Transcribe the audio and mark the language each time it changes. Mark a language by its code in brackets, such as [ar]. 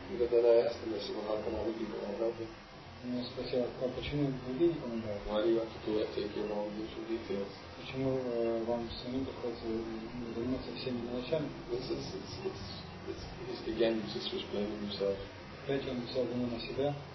[en] But then I asked him, I said, well, how can other people help you? [ru] Он спросил, а почему другие не помогают? [en] Why do you have to take your own initial details? [ru] Почему вам самим приходится заниматься всеми мелочами? [en] It's again, he's just explaining himself. [ru] Опять он взял вину на себя.